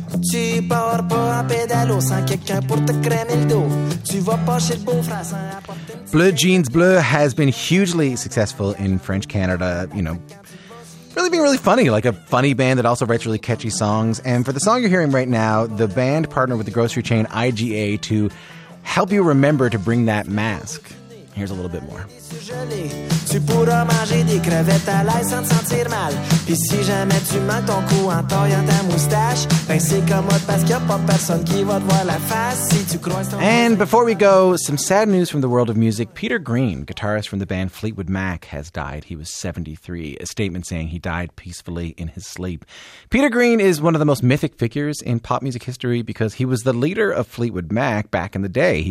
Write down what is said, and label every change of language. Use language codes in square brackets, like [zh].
[fr] Tu pars pas en pédalo sans quelqu'un pour te crémer le dos. Tu vas pas chez le beau-frère sans apporter... [en] Bleu Jeans Bleu has been hugely successful in French Canada, you know, really being really funny, like a funny band that also writes really catchy songs. And for the song you're hearing right now, the band partnered with the grocery chain IGA to help you remember to bring that mask. Here's a little bit more. [fr] Tu pourras manger des crevettes à l'ail sans te sentir mal. Puis si jamais tu mets ton cou en taillant ta moustache, ben c'est commode parce qu'il n'y a pas personne qui va te voir la face si tu croises ton... [en] And before we go, some sad news from the world of music. Peter Green, guitarist from the band Fleetwood Mac, has died. He was 73, a statement saying he died peacefully in his sleep. Peter Green is one of the most mythic figures in pop music history because he was the leader of Fleetwood Mac back in the day.